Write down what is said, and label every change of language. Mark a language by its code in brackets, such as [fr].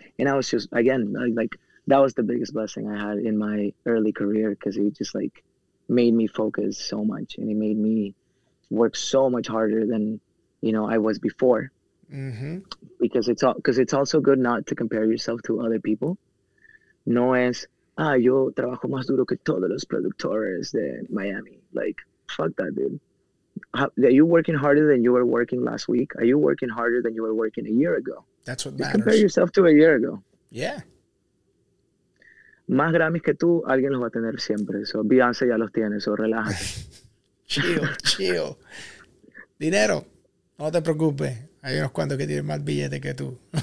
[en] And I was just, again, like that was the biggest blessing I had in my early career because it just like made me focus so much and it made me work so much harder than, you know, I was before. Because it's also good not to compare yourself to other people. [es] No es, ah, yo trabajo más duro que todos los productores de Miami. [en] Like, fuck that, dude. Are you working harder than you were working last week? Are you working harder than you were working a year ago? That's what matters. Just compare yourself to a year ago. Yeah. [es] Más Grammys que tú, alguien los va a tener siempre. So Beyoncé ya los tiene, so relájate. [en] Chill, chill. [es] Dinero, no te preocupes. Hay unos cuantos que tienen más billetes que tú.